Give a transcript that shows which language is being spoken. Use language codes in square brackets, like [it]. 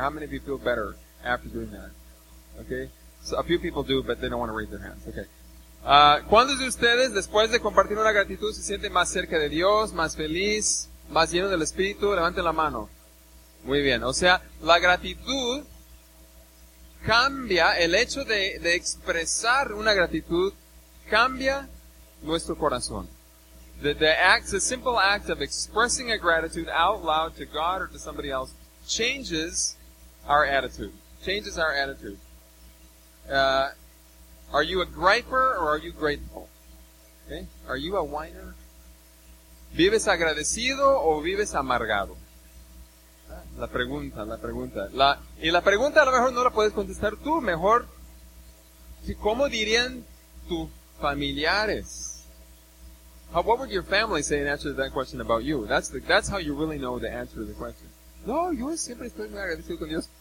[en] How many of you feel better after doing that? Okay. So a few people do, but they don't want to raise their hands. Okay. [es] ¿Cuántos de ustedes, después de compartir una gratitud, se sienten más cerca de Dios, más feliz, más lleno del Espíritu? Levanten la mano. Muy bien. O sea, la gratitud cambia, el hecho de expresar una gratitud, cambia nuestro corazón. [en] The simple act of expressing a gratitude out loud to God or to somebody else changes our attitude. Changes our attitude. Are you a griper or are you grateful? [es] Okay. [en] Are you a whiner? [es] ¿Vives agradecido o vives amargado? La pregunta. La pregunta a lo mejor no la puedes contestar tú. Mejor, ¿cómo dirían tus familiares? [en] What would your family say in answer to that question about you? That's how you really know the answer to the question. [es] No, yo siempre estoy muy agradecido con Dios.